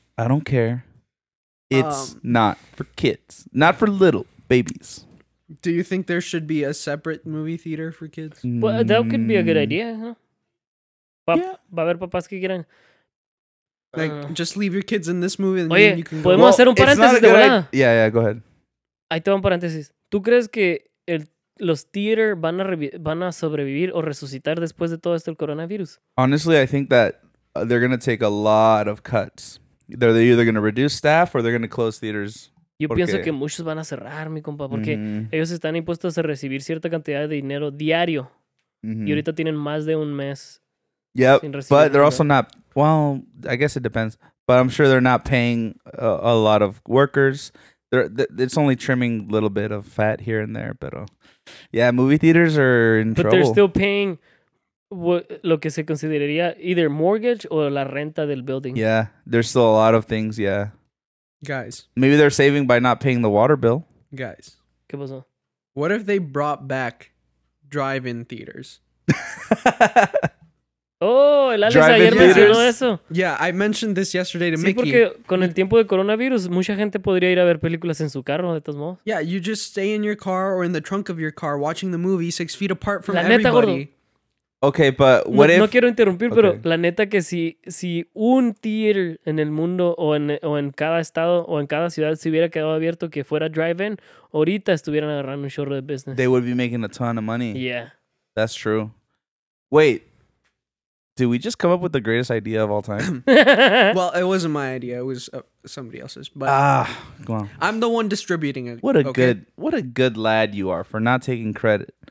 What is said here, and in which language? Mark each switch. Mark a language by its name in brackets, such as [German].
[English] I don't care. It's not for kids. Not for little babies. Do you think there should be a separate movie theater for kids? Well, that could be a good idea, huh? Yeah. [Spanish] Va a ver papás que quieran. [English] Like, just leave your kids in this movie and [Spanish] Oye, [English] then you can go. [Spanish] Podemos hacer un paréntesis de volada. [English] Yeah, go ahead. [Spanish] Ahí te va un paréntesis. ¿Tú crees que los theater van a sobrevivir o resucitar después de todo esto el coronavirus? [English] Honestly, I think that they're going to take a lot of cuts. They're either going to reduce staff or they're going to close theaters. [Spanish] Yo pienso que muchos van a cerrar, mi compa, porque ellos están impuestos a recibir cierta cantidad de dinero diario. Mm-hmm. Y ahorita tienen más de un mes. [English] Yep, but they're also not, well, I guess it depends. But I'm sure they're not paying a lot of workers. It's only trimming a little bit of fat here and there. But yeah, movie theaters are in trouble. But they're still paying [Spanish] lo que se consideraría [English] either mortgage or [Spanish] la renta del [English] building. Yeah, there's still a lot of things, yeah. Guys. Maybe they're saving by not paying the water bill. Guys. [Spanish] ¿Qué pasó? [English] What if they brought back drive-in theaters? [Spanish] Oh, el Alex drive-in ayer theaters. Mencionó eso. [English] Yeah, I mentioned this yesterday to [Spanish] sí, [English] Mickey. [Spanish] Sí, porque con el tiempo de coronavirus, mucha gente podría ir a ver películas en su carro, de todos modos. [English] Yeah, you just stay in your car or in the trunk of your car watching the movie 6 feet apart from [Spanish] la neta, [English] everybody. [Spanish] Gordo. [English] Okay, but what [Spanish] no, [English] if... [Spanish] No quiero interrumpir, okay. Pero la neta que si un theater en el mundo o en cada estado o en cada ciudad se hubiera quedado abierto que fuera drive-in, ahorita estuvieran agarrando un chorro de business. [English] They would be making a ton of money. Yeah. That's true. Wait. Did we just come up with the greatest idea of all time? Well, it wasn't my idea. It was somebody else's. But go on. I'm the one distributing it. What a good lad you are for not taking credit.